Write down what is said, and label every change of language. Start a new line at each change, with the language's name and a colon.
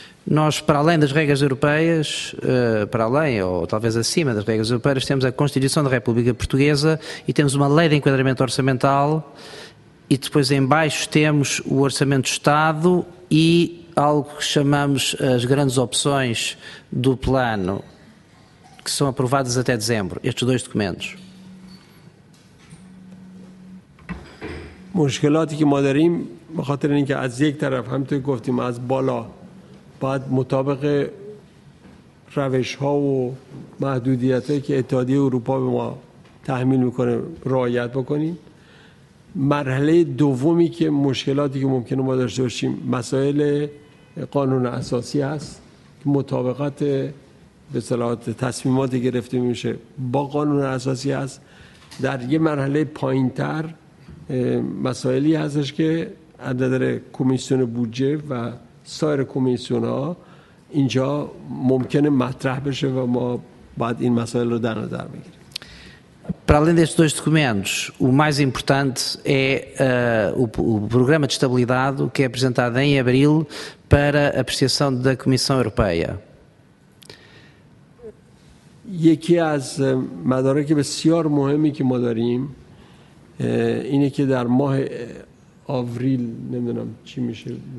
Portuguese: Nós, para além das regras europeias, para além ou talvez acima das regras europeias, temos a Constituição da República Portuguesa e temos uma lei de enquadramento orçamental, e depois em baixo temos o Orçamento de Estado e algo que chamamos as grandes opções do plano, que são aprovados até dezembro, estes dois documentos.
Persian: مشکلاتی که ما داریم به خاطر اینکه از یک طرف همونطور گفتیم از بالا بعد مطابق روش‌ها و محدودیت‌هایی که اتحادیه اروپا به ما تحمیل می‌کنه رعایت بکنیم. مرحله دومی که مشکلاتی که ممکنه ما داشته باشیم مسائل قانون اساسی است که مطابقت به صلاحات تصمیمات گرفته میشه با قانون اساسی هست. در یه مرحله پایین تر مسائلی هستش که از نظر کمیسیون بودجه و سایر کمیسیون ها اینجا ممکنه مطرح بشه و ما باید این مسائل رو در نظر بگیریم.
Portuguese: Para além destes dois documentos, o mais importante é o programa de estabilidade que é apresentado em abril para apreciação da Comissão Europeia.
Persian: یکی از مدارک بسیار مهمی که ما داریم اینه که در ماه آوریل نمیدونم چی میشه